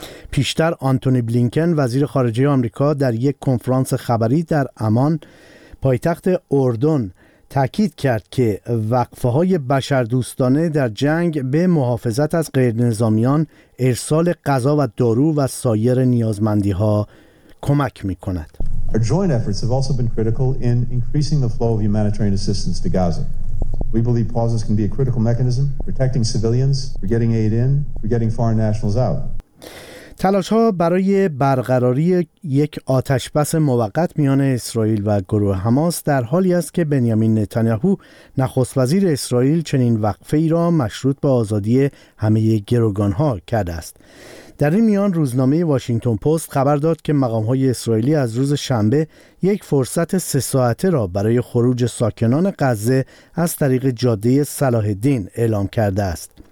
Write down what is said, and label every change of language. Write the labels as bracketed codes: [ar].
[fa] پیشتر آنتونی بلینکن وزیر خارجه آمریکا در یک کنفرانس خبری در عمان پایتخت اردن تأکید کرد که وقفه‌های بشردوستانه در جنگ به محافظت از غیرنظامیان، ارسال غذا و دارو و سایر نیازمندی‌ها کمک می‌کند. [en] Our joint efforts have also been critical in increasing the flow of humanitarian assistance to Gaza. We believe pauses can be a critical mechanism for protecting civilians, for getting aid in, for getting foreign nationals out. [fa] تلاش‌ها برای برقراری یک آتش‌بس موقت میان اسرائیل و گروه حماس در حالی است که بنیامین نتانیاهو نخست وزیر اسرائیل چنین وقفه‌ای را مشروط به آزادی همه گروگان‌ها کرده است. در این میان روزنامه واشنگتن پست خبر داد که مقام‌های اسرائیلی از روز شنبه یک فرصت 3 ساعته را برای خروج ساکنان غزه از طریق جاده صلاح الدین اعلام کرده است.